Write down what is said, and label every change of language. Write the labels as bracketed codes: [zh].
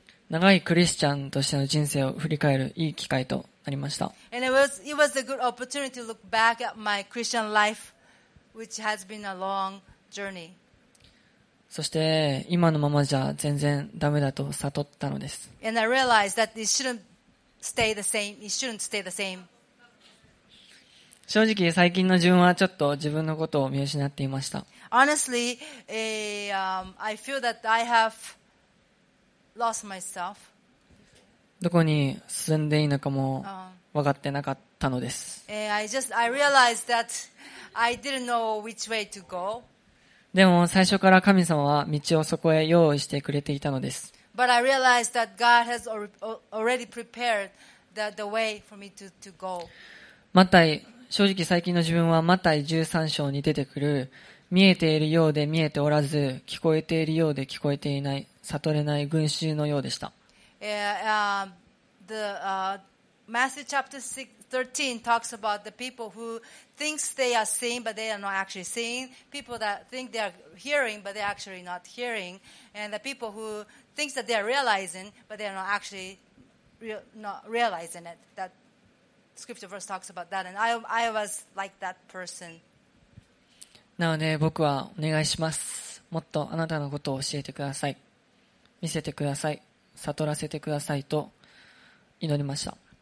[ja] 長いクリスチャンとしての人生を振り返るいい機会となりました。 [en] And it was a good opportunity to look back at my Christian life, which has been a long journey. [ja] そして今のままじゃ全然ダメだと悟ったのです。 [en] And I realized that it shouldn't stay the same. It shouldn't stay the same. [ja] 正直最近の自分はちょっと自分のことを見失っていました。 [en] Honestly, I feel that I have lost myself. [ja] どこに進んでいいのかも分かってなかったのです。 [en] I realized that I didn't know which way to go. [ja] でも最初から神様は道をそこへ用意してくれていたのです。 [en] But I realized that God has already prepared the way for me to go. [ja] マタイ、正直最近の自分はマタイ13章に出てくる見えているようで見えておらず、聞こえているようで聞こえていない、悟れない群衆のようでした。 [en] Matthew chapter 13 talks about the people who thinks they are seeing but they are not actually seeing, people that think they are hearing but they are actually not hearing, and the people who thinks that they are realizing but they are not actually not realizing it. That scripture verse talks about that, and I was like that person. [ja] なので僕はお願いします。もっとあなたのことを教えてください。見せてください。悟らせてくださいと祈りました。